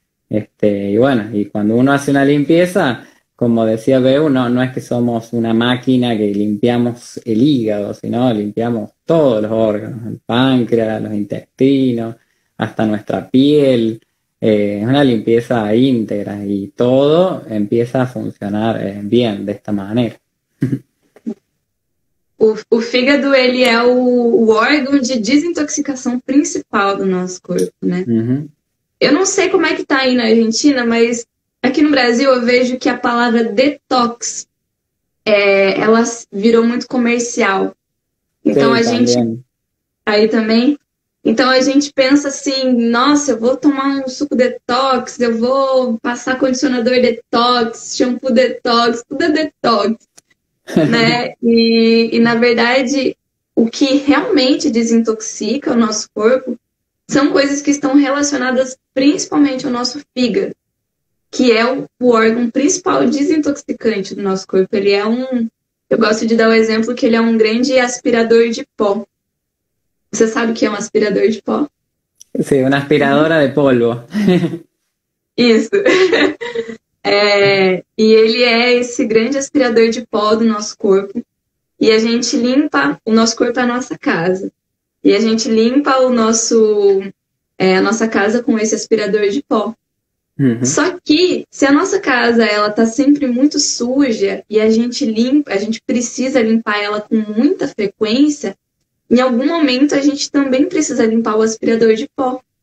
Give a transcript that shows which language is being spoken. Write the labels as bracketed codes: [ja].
[es] Y bueno, y cuando uno hace una limpieza, como decía Beu, no es que somos una máquina que limpiamos el hígado, sino limpiamos todos los órganos, el páncreas, los intestinos, hasta nuestra piel. Es una limpieza íntegra y todo empieza a funcionar bien de esta manera. [pt] O fígado, ele é o órgão de desintoxicação principal do nosso corpo, né? Eu não sei como é que tá aí na Argentina, mas aqui no Brasil eu vejo que a palavra detox, ela virou muito comercial. Então a Sim, gente, também. aí também, então a gente pensa assim, nossa, eu vou tomar um suco detox, eu vou passar condicionador detox, shampoo detox, tudo é detox. né? E na verdade, o que realmente desintoxica o nosso corpo são coisas que estão relacionadas principalmente ao nosso fígado, que é o órgão principal desintoxicante do nosso corpo. Ele é um. Eu gosto de dar o exemplo que ele é um grande aspirador de pó. Você sabe o que é um aspirador de pó? [es] Sí, una aspiradora de polvo. [pt] Isso. E ele é esse grande aspirador de pó do nosso corpo. E a gente limpa, o nosso corpo é a nossa casa. E a gente limpa o nosso a nossa casa com esse aspirador de pó. Só que se a nossa casa ela tá sempre muito suja e a gente limpa, a gente precisa limpar ela com muita frequência, em algum momento a gente também precisa limpar o aspirador de pó.